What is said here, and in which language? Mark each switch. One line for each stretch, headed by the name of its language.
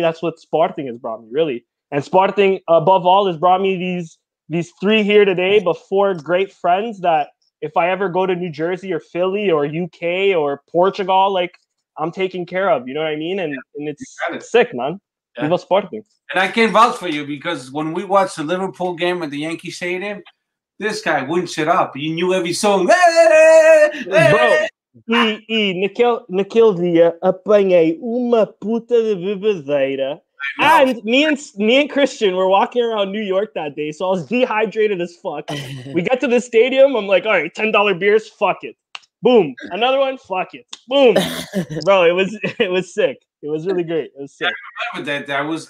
English: That's what Sporting has brought me, really. And Sporting, above all, has brought me these three here today, but four great friends that if I ever go to New Jersey or Philly or UK or Portugal, like, I'm taken care of. You know what I mean? And it's sick, man. Yeah. Viva Sporting. And I can vouch for you, because when we watched the Liverpool game at the Yankee Stadium, this guy wouldn't shut up. He knew every song. Bro.
Portuguese: E Nikhil Dia apanhei uma puta de bebedeira.
English: And me and Christian were walking around New York that day, so I was dehydrated as fuck. We get to the stadium, I'm like, all right, $10 beers, fuck it. Boom. Another one, fuck it. Boom. Bro, it was sick. It was really great. It was sick. Yeah, I remember that day.